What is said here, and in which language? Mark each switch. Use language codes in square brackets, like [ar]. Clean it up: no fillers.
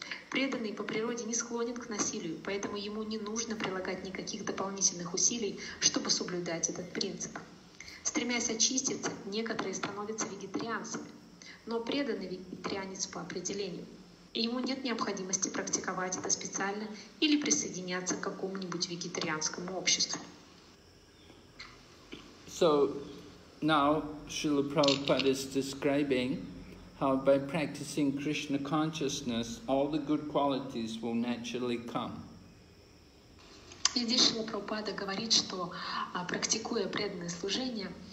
[ru] Преданный по природе не склонен к насилию, поэтому ему не нужно прилагать никаких дополнительных усилий, чтобы соблюдать этот принцип. Стремясь очиститься, некоторые становятся вегетарианцами, но преданный вегетарианец по определению. Ему нет необходимости практиковать это специально или присоединяться к какому-нибудь вегетарианскому обществу. [en] So now Srila Prabhupada is describing how by practicing Krishna consciousness all the good qualities will naturally come. [ru] И здесь Шрила Прабхупада говорит, что практикуя преданное служение,